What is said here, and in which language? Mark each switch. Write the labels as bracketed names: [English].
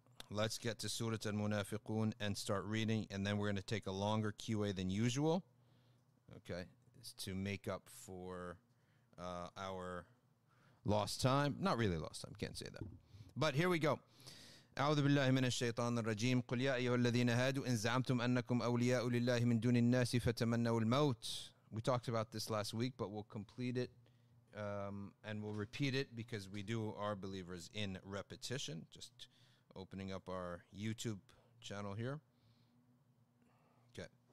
[English] Let's get to Surat al-Munafiqoon and start reading, and then we're going to take a longer QA than usual, okay, it's to make up for our lost time. Not really lost time, can't say that. But here we go. [Arabic] أعوذ بالله من الشيطان الرجيم قل يا أيها الذين هادوا إن زعمتم أنكم أولياء لله من دون الناس فتمنوا الموت. [English] We talked about this last week, but we'll complete it. And we'll repeat it because we do our believers in repetition. Just opening up our YouTube channel here. Okay.